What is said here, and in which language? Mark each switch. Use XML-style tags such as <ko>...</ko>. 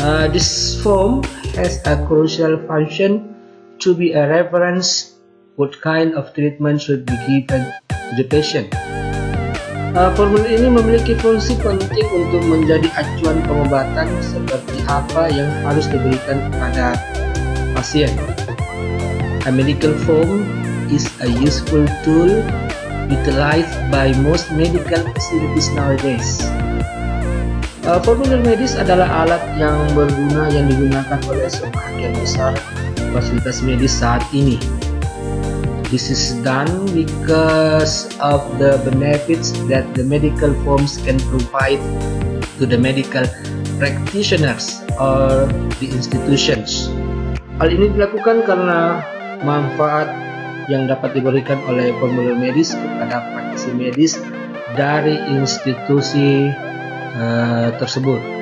<en>This form has a crucial function to be a reference what kind of treatment should be given to the patient.</en> <id>Formulir ini memiliki fungsi penting untuk menjadi acuan pengobatan seperti apa yang harus diberikan kepada pasien.</id> <en>A medical form is a useful tool utilized by most medical facilities nowadays.</en> <id>Formulir medis adalah alat yang berguna yang digunakan oleh sebagian besar fasilitas medis saat ini.</id> <en>This is done because of the benefits that the medical forms can provide to the medical practitioners or the institutions.</en> <id>Hal ini dilakukan karena manfaat yang dapat diberikan oleh formulir medis kepada praktisi medis dari institusi tersebut.</id>